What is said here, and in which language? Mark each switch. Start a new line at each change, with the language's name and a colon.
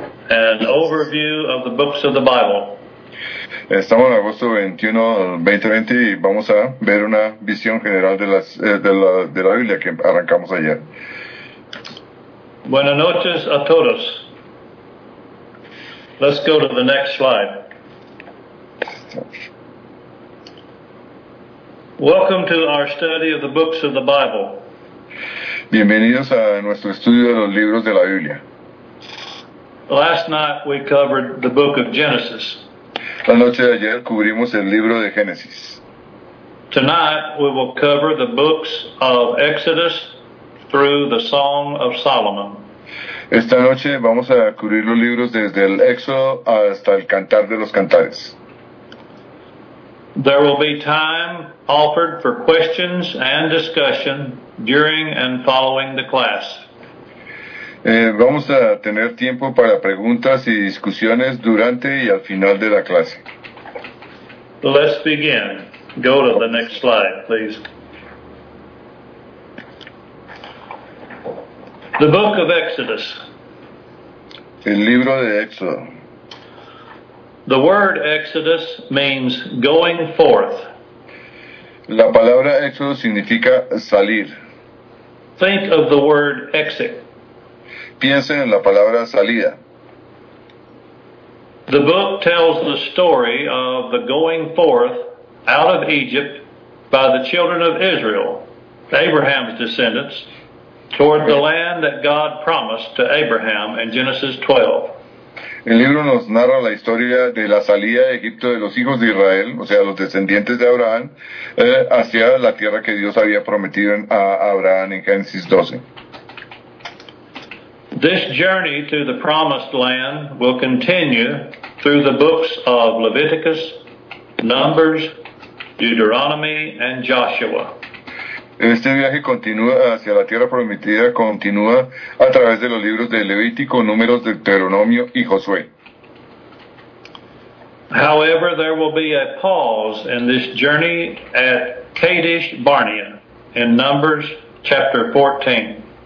English: An overview of the books of the Bible.
Spanish: Estamos en agosto 21, 2020 y vamos a ver una visión general de las de la Biblia que arrancamos ayer. Buenas noches a todos.
English: Let's go to the next slide. Welcome to our study of the books of the Bible.
Spanish: Bienvenidos a nuestro estudio de los libros de la Biblia.
English: Last night we covered the book of Genesis.
Spanish: La noche de ayer cubrimos el libro de Génesis.
English: Tonight we will cover the books of Exodus through the Song of Solomon.
Spanish: Esta noche vamos a cubrir los libros desde el Éxodo hasta el Cantar de los Cantares.
English: There will be time offered for questions and discussion during and following the class.
Spanish: Vamos a tener tiempo para preguntas y discusiones durante y al final de la clase.
English: Let's begin. Go to the next slide, please. The book of Exodus.
Spanish: El libro de Éxodo.
English: The word Exodus means going forth.
Spanish: La palabra Éxodo significa salir.
English: Think of the word exit.
Spanish: Piensen en la palabra salida.
English: The book tells the story of the going forth out of Egypt by the children of Israel, Abraham's descendants, toward the land that God promised to Abraham in Genesis 12.
Spanish: El libro nos narra la historia de la salida de Egipto de los hijos de Israel, o sea, los descendientes de Abraham, hacia la tierra que Dios había prometido a Abraham en Génesis 12.
English: This journey to the promised land will continue through the books of Leviticus, Numbers, Deuteronomy, and Joshua.
Spanish: Este viaje continúa hacia la tierra prometida, continúa a través de los libros de Levítico, Números, Deuteronomio y Josué.
English: However, there will be a pause in this journey at Kadesh Barnea in Numbers chapter 14.